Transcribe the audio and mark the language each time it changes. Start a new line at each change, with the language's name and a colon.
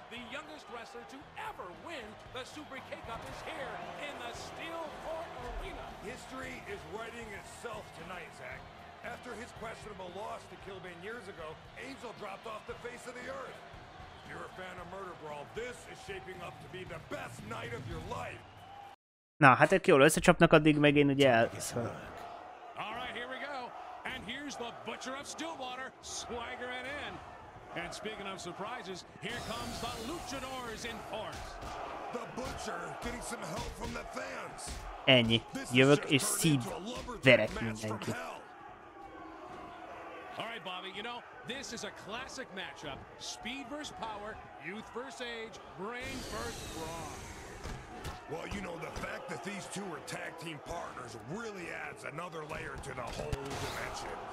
English: The youngest wrestler to ever win the Super K-Cup is here in the Steel Fort Arena. History is writing itself tonight, Zach. After his questionable loss to Kilbane years ago, Angel dropped off the face of the earth. If you're a fan of Murder Brawl, this is shaping up to be the best night of your life.
Hungarian: Na, hát ők jól összecsapnak, addig meg én ugye
English: All right, here we go. And here's the Butcher of Stillwater swaggering in. And speaking of surprises, here comes the Luchadors in force. The Butcher getting some help from the fans.
Hungarian: Ennyi. Jövök és szív verek mindenki.
English: All right, Bobby, you know, this is a classic matchup. Speed versus power, youth versus age, brain versus brawn. Well, you know, the fact that these two are tag team partners really adds another layer to the whole dimension.